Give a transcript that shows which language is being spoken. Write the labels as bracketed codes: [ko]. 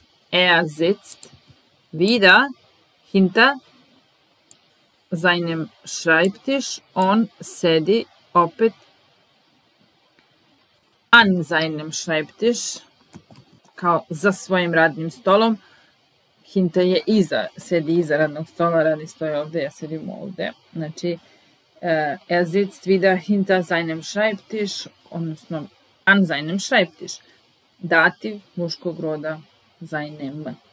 [de] Er sitzt wieder hinter seinem Schreibtisch und [sr] sedi opet [de] an seinem Schreibtisch, [sr] kao za svojim radnim stolom. Hinter je iza, sedi iza radnog stola, radni stoje ovde, ja sedim ovde. Znači, [de] er sitzt wieder hinter seinem Schreibtisch, odnosno an seinem Schreibtisch. [sr] Dativ muškog roda seinem.